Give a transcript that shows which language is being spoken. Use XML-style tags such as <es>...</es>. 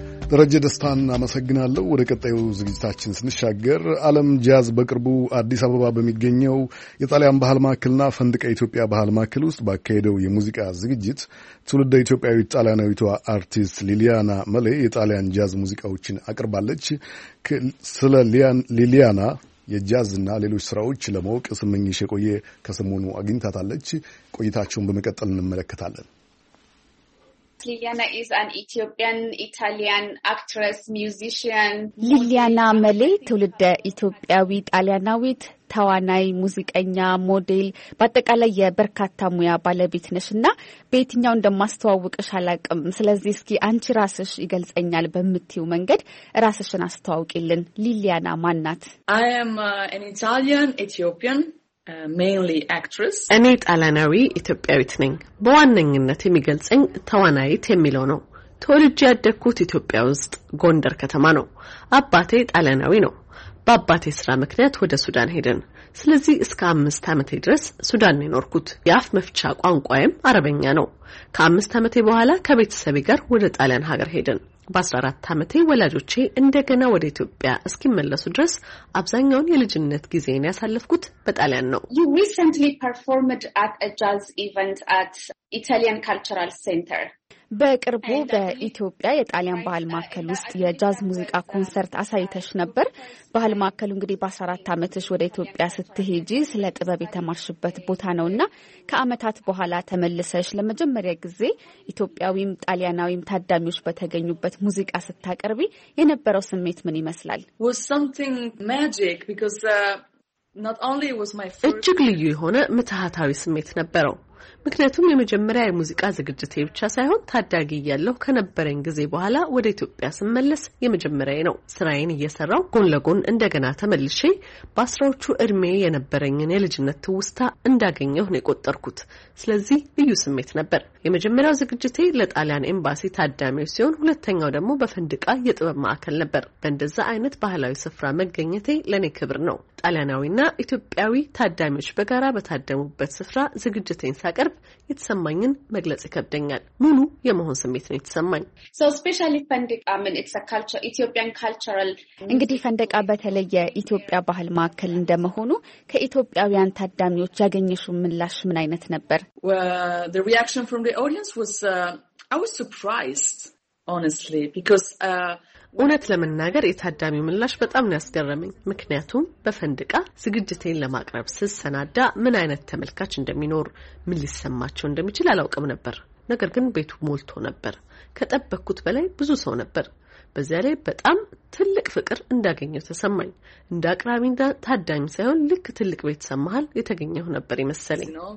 <am>ደረጀ ደስታን አመሰግናለሁ። ወደ ቀጣዩ ዝግጅታችን ስንሻገር ዓለም ጃዝ በቅርቡ አዲስ አበባ በሚገኘው የጣሊያን ባህል ማዕከልና ፈንድቀ ኢትዮጵያ ባህል ማዕከል ውስጥ ባካሄደው የሙዚቃ ዝግጅት ትውልደ ኢትዮጵያዊት ጣሊያናዊቷ አርቲስት ሊሊያና መሌ የጣሊያን ጃዝ ሙዚቃዎችን አቅርባለች። ስለ ሊሊያና የጃዝና ሌሎች ስራዎች ለማወቅ ስምኝሽ የቆየ ከሰሞኑ አግኝታታለች። ቆይታቸውን በመቀጠል እንመለከታለን።</am> <en>Liliana is an Ethiopian Italian actress musician.</en> <am>Liliana Mele tulde Ethiopiawi Italianawit ታዋናይ ሙዚቀኛ ሞዴል በአጠቃላይ የበርካታ ሙያ ባለቤት ነሽና በየትኛው እንደማስተዋውቅሽ አላቅም። ስለዚህ እስኪ አንቺ ራስሽ ይገልጸኛል በሚትዩ መንገድ ራስሽን አስተዋውቂልን። ሊሊያና ማን ናት?</am> <en>I am an Italian Ethiopian mainly actress.</en> <am>እኔ ጣሊያናዊ ኢትዮጵያዊት ነኝ። በዋናነት የሚገልጸኝ ታዋናይት የሚለው ነው። ተወልጄ ያደኩት ኢትዮጵያ ውስጥ ጎንደር ከተማ ነው። አባቴ ጣሊያናዊ ነው። በአባቴ ስራ ምክንያት ወደ ሱዳን ሄደን ስለዚህ እስከ 5 አመቴ ድረስ ሱዳን ላይ ኖርኩት። ያፍ መፍቻ ቋንቋዬም አረበኛ ነው። ከ5 አመቴ በኋላ ከቤተሰቤ ጋር ወደ ጣሊያን ሀገር ሄደን በ14 አመቴ ወላጆቼ እንደገና ወደ ኢትዮጵያ እስኪመለሱ ድረስ አብዛኛውን የልጅነት ጊዜዬን ያሳለፍኩት በጣሊያን ነው።</am> <en>You recently performed at a jazz event at Italian Cultural Center.</en> <am>በቅርቡ በኢትዮጵያ የጣሊያን ባህል ማዕከል ውስጥ የጃዝ ሙዚቃ ኮንሰርት አሳይተሽ ነበር። ባህል ማዕከሉ እንግዲህ በ14 አመትሽ ወደ ኢትዮጵያ ስትሄጂ ስለ ጥበብ የተማርሽበት ቦታ ነውና ከአመታት በኋላ ተመለሰሽ ለመጀመሪያ ጊዜ ኢትዮጵያዊም ጣሊያናዊም ታዳሚዎች በተገኙበት ሙዚቃ ስታቀርቢ የነበረው ስሜት ምን ይመስላል?</am> <en>Was something magic because not only was my first</en> <am>እጅግ ልዩ የሆነ ምትሃታዊ ስሜት ነበረው። ምክንያቱም የመጀመሪያ የሙዚቃ ዝግጅቴ ብቻ ሳይሆን ታዳጊ ያለሁ ከነበረኝ ጊዜ በኋላ ወደ ኢትዮጵያ ስመለስ የመጀመሪያ ነው። ስራዬን እየሰራው ጎን ለጎን እንደገና ተመልሼ በአስራዎቹ እድሜ የነበረኝን የልጅነት ትውስታ እንዳገኘሁ ነው የቆጠርኩት። ስለዚህ ልዩ ስሜት ነበር። የመጀመሪያው ዝግጅቴ ለጣሊያን ኤምባሲ ታዳሚው ሲሆን ሁለተኛው ደግሞ በፈንድቃ የጥበብ ማዕከል ነበር። በእንደዛ አይነት ባህላዊ ስፍራ መገኘቴ ለኔ ክብር ነው። ጣሊያናዊና ኢትዮጵያዊ ታዳሚዎች በጋራ በታደሙበት ስፍራ ዝግጅቴን ሳቀርብ የተሰማኝን መግለጽ ይከብደኛል። ሙሉ የመሆን ስሜት ነው የተሰማኝ።</am> <en>So especially Fendeka, I mean it's a culture, Ethiopian cultural.</en> <am>እንግዲህ ፈንድቃ በተለየ ኢትዮጵያ ባህል ማዕከል እንደመሆኑ ከኢትዮጵያውያን ታዳሚዎች ያገኘሽው ምላሽ ምን አይነት ነበር?</am> <en>Well, the reaction from the audience was I was surprised honestly because</en> <am>እውነት ለመናገር የታዳሚው ምላሽ በጣም ነው ያስገረመኝ። ምክንያቱም በፈንድቃ ዝግጅቴን ለማቅረብ ስሰናዳ ምን አይነት ተመልካች እንደሚኖር ምን ሊሰማቸው እንደሚችል አላውቅም ነበር። ነገር ግን ቤቱ ሞልቶ ነበር። ከጠበቅኩት በላይ ብዙ ሰው ነበር። በዚያ ላይ በጣም ትልቅ ፍቅር እንዳገኘሁ ተሰማኝ። እንደ አቅራቢ ታዳሚ ሳይሆን ልክ ትልቅ ቤት ሰማሃል የተገኘሁ ነበር ይመስለኝ።</am>